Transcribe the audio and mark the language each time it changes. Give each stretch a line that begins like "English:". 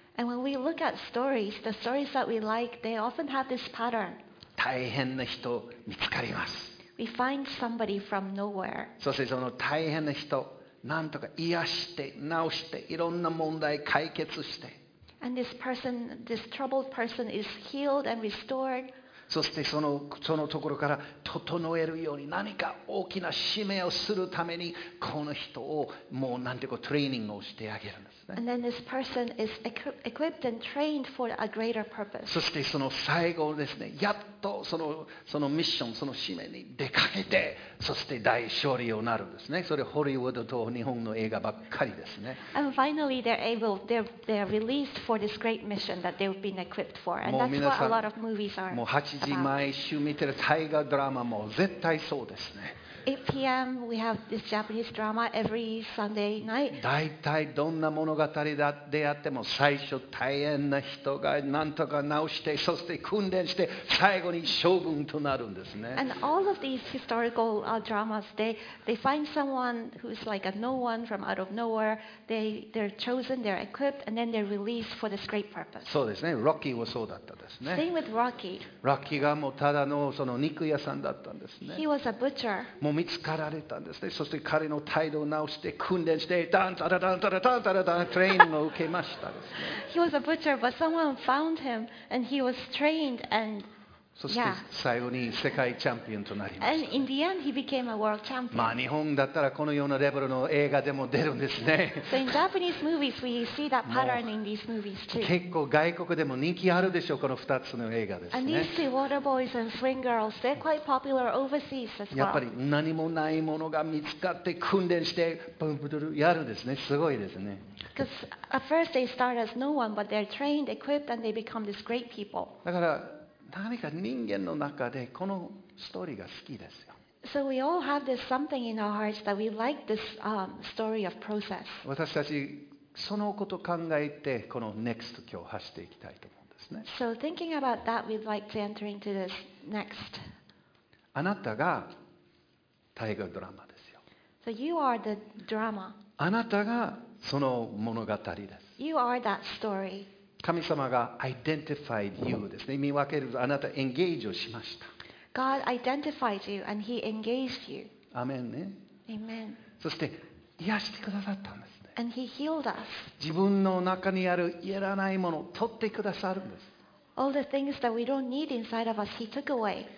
English: And when we look at stories, the stories that we like, they often have this pattern.
Japanese: 大変な人見つかります。
English: We find somebody from nowhere.
Japanese: そしてその大変な人なんとか癒して治していろんな問題解決して。
English: And this person, this troubled person is healed and restored.
Japanese: そしてそのところから整えるように何か大きな使命をするためにこの人をもうなんていうかトレーニングをしてあげるんですね。
English: And then this person is equipped and trained for a greater purpose.
Japanese: そしてその最後ですね、やっとそのミッション、その使命に出かけて、そして大勝利になるんですね。それホリウッドと日本の映画ばっかりですね。
English: And finally they're released for this great mission that they've been equipped for. And that's what a lot of movies are about.
Japanese: 8時毎週見てるタイガードラマも絶対そうですね。
English: 8 p.m. we have this Japanese drama every Sunday night.
Japanese: だいたいどんな物語であっても最初大変な人がなんとか直してそして訓練して最後に将軍となるんですね。
English: And all of these historical dramas, they find someone who's like a no one from out of nowhere. They're chosen, they're equipped, and then they're released for this great purpose.
Japanese: そうですね。ロッキーもそうだったですね。
English: Same with Rocky.
Japanese: ロッキーがもうただのその肉屋さんだったんですね。
English: He was a butcher.
Japanese: もう見つかられたんですね。そして彼の態度を直して訓練して、ダンタラダンタラダンタラダンタレーニングを受けましたですね。
English: He was a butcher, but someone found him and he was trained and
Japanese: そして最後に世界チャンピオンとなりました。
English: And in the end, he became a world champion.
Japanese: まあ日本だったらこのようなレベルの映画でも出るんですね。
English: So in Japanese movies, we see that pattern in these movies too.
Japanese: 結構外国でも人気あるでしょう、この2つの映画ですね。
English: And these two, Water Boys and Swing Girls, they're quite popular overseas as well.
Japanese: やっぱり何もないものが見つかって訓練してブンブドルやるですね。すごいですね。
English: Because at first they start as no one, but they're trained, equipped, and they become these great people.
Japanese: だから何か人間の中でこのストーリーが好きですよ。
English: So we all have this something in our hearts that we like this story of process.
Japanese: 私たちそのことを考えてこの next 今日走っていきたいと思うんですね。
English: So thinking about that, we'd like to enter into this next.
Japanese: あなたが大河ドラマですよ。
English: So you are the drama.
Japanese: あなたがその物語です。
English: You are that story.
Japanese: 神様が
English: identified you
Japanese: ですね。見分けるとあなたエンゲージをしました。
English: God identified you and he engaged you.
Japanese: アメンね。
English: Amen.
Japanese: そして癒してくださったんですね。
English: And he healed us.
Japanese: 自分の中にある癒らないものを取ってくださるんです。
English: All the things that we don't need inside of us, he took away.